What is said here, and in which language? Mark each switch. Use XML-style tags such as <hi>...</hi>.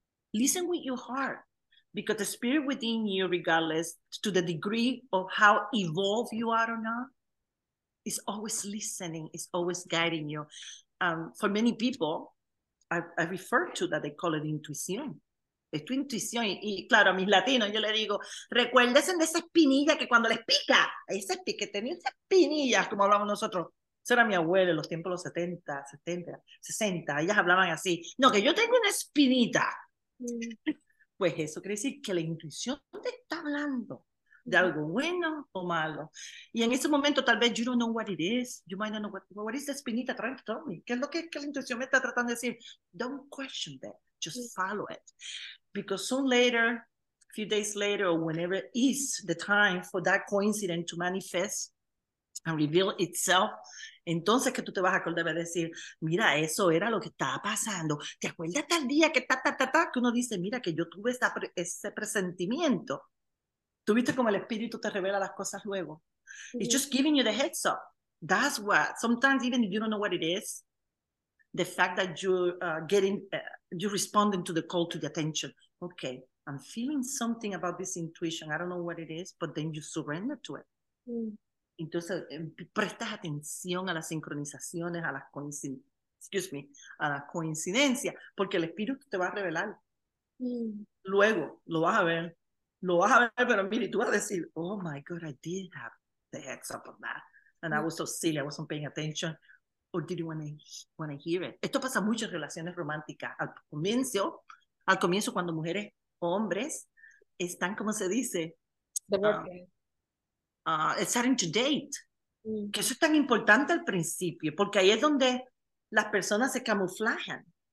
<en>Listen with your heart, because the spirit within you, regardless to the degree of how evolved you are or not, is always listening, is always guiding you. For many people, I refer to that, they call it intuición.</en> <es>Es tu intuición. Y claro, a mis latinos, yo le digo, recuérdense de esa espinilla que cuando les pica, que tenía esa espinilla, como hablamos nosotros, Eso era mi abuelo en los tiempos de los 70, 70, 60. Ellas hablaban así. No, que yo tengo una espinita. Pues eso quiere decir que la intuición te está hablando de algo bueno o malo. Y en ese momento, tal vez, you don't know what it is.</es> <en>You might not know what is the espinita trying to tell me.</en> <es>¿Qué es lo que la intuición me está tratando de decir?</es> <en>Don't question that. Just follow it. Because soon later, a few days later, or whenever is the time for that coincidence to manifest and reveal itself, entonces que tú te vas a acordar de decir, mira, eso era lo que estaba pasando.</en> <es>¿Te acuerdas tal día que que uno dice, mira, que yo tuve ese presentimiento? ¿Tú viste cómo el espíritu te revela las cosas luego?</es> <en>Mm-hmm. It's just giving you the heads up. That's what, sometimes even if you don't know what it is, the fact that you're you're responding to the call to the attention. Okay, I'm feeling something about this intuition. I don't know what it is, but then you surrender to it. Mm.</en> <es>Entonces, prestas atención a las sincronizaciones, a la coincidencia, porque el espíritu te va a revelar. Luego, lo vas a ver, pero mira, y tú vas a decir, oh my God, I did have the heads up on that.</es> <en>And I was so silly, I wasn't paying attention. Or did you want to hear it? Esto pasa mucho en relaciones románticas.</en> <es>Al comienzo, cuando mujeres o hombres están, como se dice, starting to date. Que eso es tan importante al principio, porque ahí es donde las personas se camuflajan.</es>